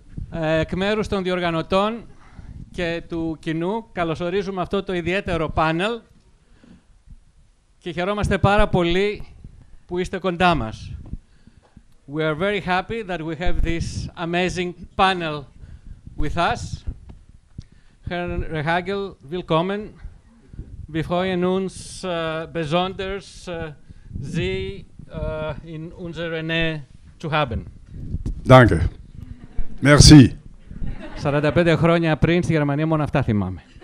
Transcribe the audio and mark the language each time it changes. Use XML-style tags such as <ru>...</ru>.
<el>Εκ μέρους των διοργανωτών και του κοινού, καλωσορίζουμε αυτό το ιδιαίτερο πάνελ και χαιρόμαστε πάρα πολύ που είστε κοντά μας.</el> <en>We are very happy that we have this amazing panel with us.</en> <de>Herr Rehhagel, willkommen. Wir freuen uns besonders, Sie in unserer Nähe zu haben. Danke. Merci.</de> <el>45 χρόνια πριν στη Γερμανία, μόνο αυτά θυμάμαι.</el>